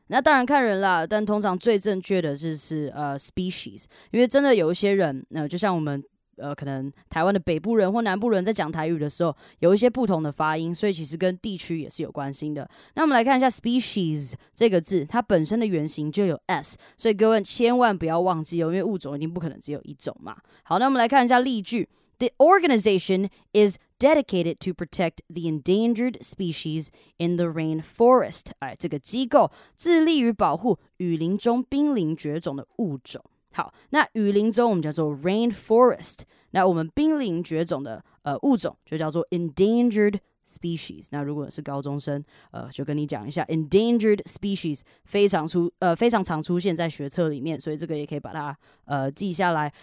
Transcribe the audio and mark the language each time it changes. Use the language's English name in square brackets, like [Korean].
[Chinese] 那当然看人啦，但通常最正确的就是species， 因为真的有一些人，就像我们可能台湾的北部人或南部人在讲台语的时候，有一些不同的发音，所以其实跟地区也是有关系的。那我们来看一下 species 这个字，它本身的原型就有 s， 所以各位千万不要忘记哦，因为物种一定不可能只有一种嘛。好，那我们来看一下例句。 [English] The organization is dedicated to protect the endangered species in the rainforest. [Chinese] 哎，这个机构致力于保护雨林中濒临绝种的物种。好，那雨林中我们叫做 rainforest， 那我们濒临绝种的物种就叫做 endangered species。那如果是高中生，就跟你讲一下 endangered species 非常常出现在学册里面，所以这个也可以把它记下来。